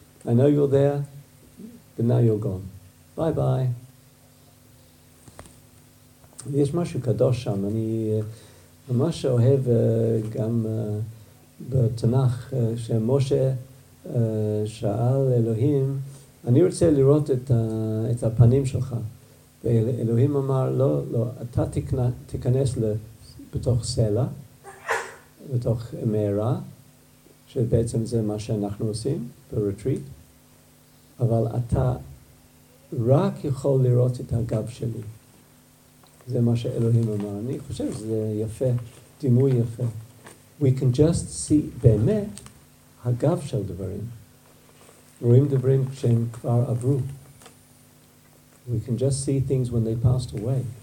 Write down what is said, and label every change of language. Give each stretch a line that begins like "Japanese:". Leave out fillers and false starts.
English: I know you're there, but now you're gone. Bye bye.
Hebrew: יש משהו קדוש שם. אני ממש אוהב גם בתנ"ך שמשה שאל אלוהים, אני רוצה לראות את הפנים שלך. ואלוהים אמר, לא, לא, אתה תיכנס בתוך סלע, בתוך מערה, שבעצם זה מה שאנחנו עושים ב-retreat, אבל אתה רק יכול לראות את הגב שלי. זה מה שאלוהים אמר. אני חושב שזה יפה, דימוי יפה.
English: We can just see,
Hebrew: באמת, הגב של דברים. רואים דברים כשהם כבר עברו.
English: We can just see things when they passed away.